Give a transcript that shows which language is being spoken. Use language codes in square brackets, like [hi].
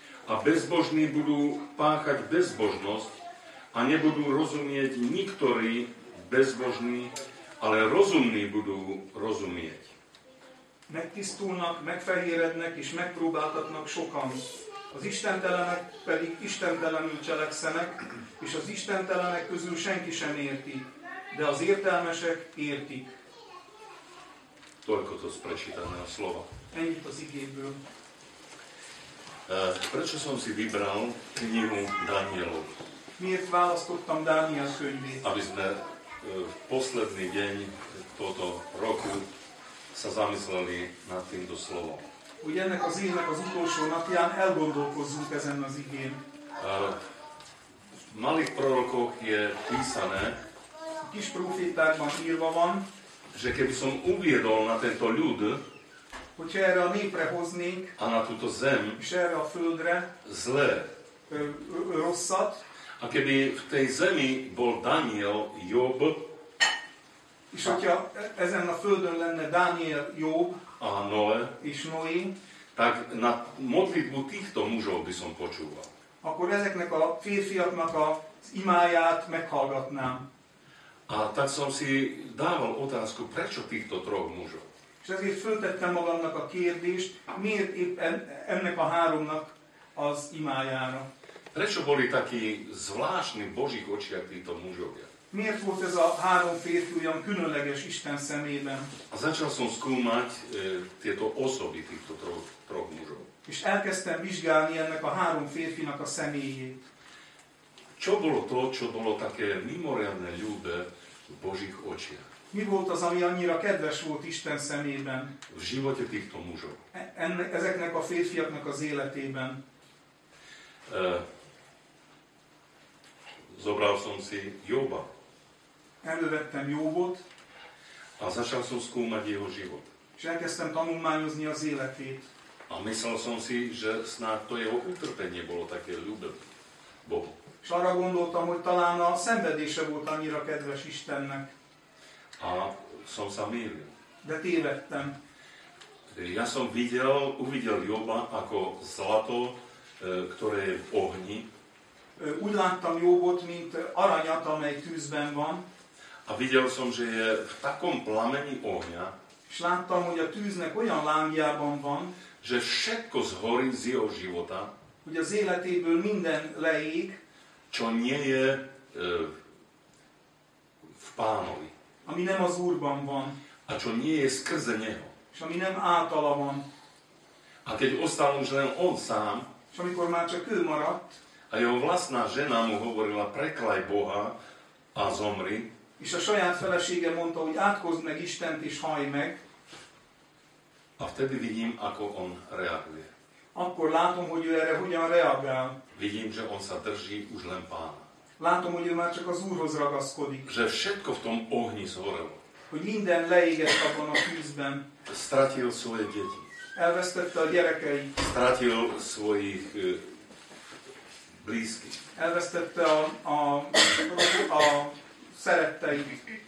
[sk] A bezbožní budú páchať bezbožnosť a nebudú rozumieť niektorí bezbožní, ale rozumní budú rozumieť. [hu] Megtisztulnak, megfehérednek és megpróbáltatnak sokan. Az istentelenek pedig istentelenül cselekszenek, és az istentelenek közül senki sem érti, de az értelmesek értik. [sk] Toľko to z prečítaného slova. [hu] Ennyit az igéből. [sk] Prečo som si vybral knihu Danielov? [hu] Miért választottam Dániel könyvét? [sk] Aby sme v posledný deň tohto roku sa zamysleli nad týmto slovom. [hu] Ugye ennek az évnek az utolsó napján elgondolkozzunk ezen az igén. [sk] V malých prorokoch je písané, [hu] a kis profétákban írva van, [sk] že keby som uviedol na tento ľud, [hu] hogyha erre a népre hoznék, [sk] a na túto zem, [hu] és erre a földre, [sk] zlé, [hu] rosszat, [sk] a keby v tej zemi bol Daniel, Job, [hu] És hogyha ezen a földön lenne Dániel, Jób, [sk] a Noé [hu] és Noé, [sk] tak na modlitbu týchto mužov by som počúval. [hu] Akkor ezeknek a férfiaknak az imáját meghallgatnám. [sk] A tak som si dával otázku, prečo týchto troch mužov? [hu] És ezért föltettem magamnak a kérdést, miért éppen ennek a háromnak az imájára. [sk] Prečo boli taký zvláštny v Božích očiach títo mužovia? [hu] Miért volt ez a három férfi olyan különleges Isten szemében? [sk] A začal som skúmať tieto osoby týchto troch mužov. [hu] És elkezdtem vizsgálni ennek a három férfinak a személyét. [sk] Čo bolo to, čo bolo také mimoriadne ľúbe v Božích očiach? [hu] Mi volt az, ami annyira kedves volt Isten szemében? [sk] V živote týchto mužov. [hu] Ezeknek a férfiaknak az életében. [sk] Zobral som si Jóba. [hu] Elővettem Jóbot. [sk] A začal som skúmať jeho život. [hu] És elkezdtem tanulmányozni az életét. [sk] A myslel som si, že snáď to jeho utrpenie bolo také ľúbe Bohu. [hu] És arra gondoltam, hogy talán a szenvedése volt annyira kedves Istennek. [sk] A som sa mýlil. [hu] De tévedtem. [sk] Ja som uvidel Jóba ako zlato, ktoré je v ohni. [hu] Úgy láttam Jóbot, mint aranyat, amely tűzben van. [sk] A videl som, že je v takom plameni ohňa. [hu] És láttam, hogy a tűznek olyan lángjában van, [sk] že všetko zhorí z jeho života, [hu] hogy az életéből minden leég, [sk] čo nie je v Pánovi. [hu] Ami nem az Úrban van. [sk] A čo nie je skrze neho. [hu] És ami nem általa van. [sk] A keď ostal už len on sám, [hu] és amikor már csak ő maradt, [sk] a jeho vlastná žena mu hovorila, preklaj Boha a zomri. [hu] És a saját felesége mondta, hogy átkozd meg Istent és hallj meg. [sk] A vtedy vidím, ako on reaguje. [hu] Akkor látom, hogy ő erre hogyan reagál. [sk] Vidím, že on sa drží už len Pána. [hu] Látom, hogy ő már csak az Úrhoz ragaszkodik. [sk] Že všetko v tom ohni zhorelo. [hu] Hogy minden leégett abban a tűzben. [sk] Stratil svoje deti. [hu] Elvesztette a gyerekei. [sk] Stratil svojich blízky. [hu] Elvesztette a szerettei.